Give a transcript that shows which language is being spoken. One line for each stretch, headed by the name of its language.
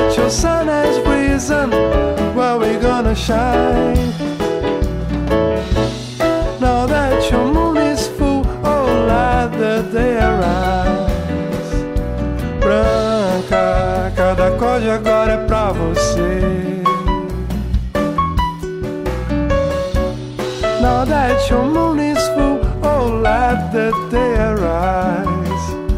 English: Sun has risen, where we gonna gonna shine. Now that your moon is full, oh, light the day arise.
Portuguese: Branca, cada acorde agora é pra você.
English: Now that your moon is full, oh, light the day arise.